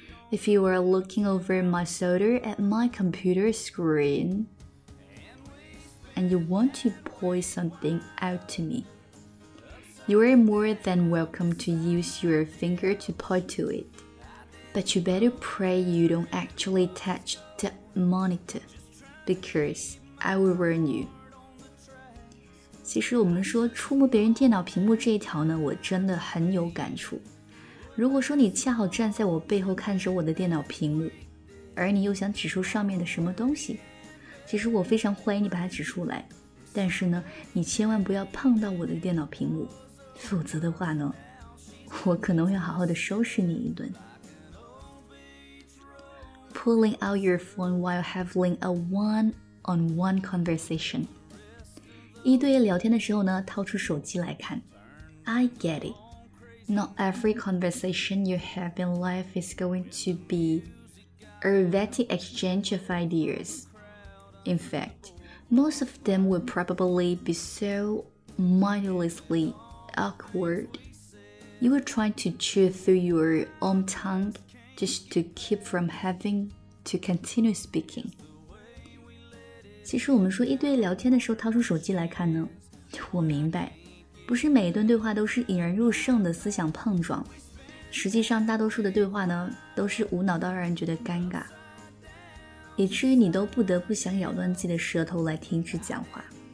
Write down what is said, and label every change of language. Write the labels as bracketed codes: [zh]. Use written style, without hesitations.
[en] If you were looking over my shoulder at my computer screen, and you want to point something out to me, you are more than welcome to use your finger to point to it. But you better pray you don't actually touch the monitor, because I will warn you. [zh] 其实我们说触摸别人电脑屏幕这一条呢，我真的很有感触。如果说你恰好站在我背后看着我的电脑屏幕，而你又想指出上面的什么东西，其实我非常欢迎你把它指出来。但是呢，你千万不要碰到我的电脑屏幕，否则的话呢，我可能会好好的收拾你一顿。 [en] Pulling out your phone while having a one-on-one conversation. [zh] 一对一聊天的时候呢，掏出手机来看。 [en] I get it. Not every conversation you have in life is going to be a vetty exchange of ideas. In fact, most of them will probably be so mindlessly awkward. You will try to chew through your own tongue just to keep from having to continue speaking. [zh] 其实我们说一对聊天的时候掏出手机来看呢，我明白，不是每一段对话都是引人入胜的思想碰撞，实际上大多数的对话呢都是无脑到让人觉得尴尬，以至于你都不得不想咬断自己的舌头来停止讲话。